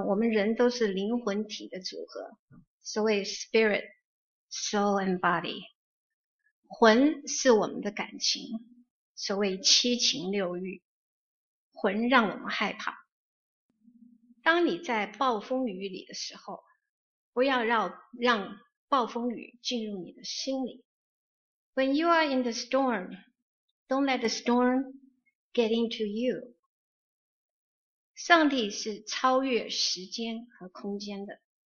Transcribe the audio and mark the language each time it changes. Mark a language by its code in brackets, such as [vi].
[zh] 我们人都是灵魂体的组合，所谓 [en] spirit, soul and body, [zh] 魂是我们的感情，所谓七情六欲，魂让我们害怕。当你在暴风雨里的时候，不要让暴风雨进入你的心里。 [en] When you are in the stormDon't let the storm get into you. [zh] 上帝是超越时间和空间的。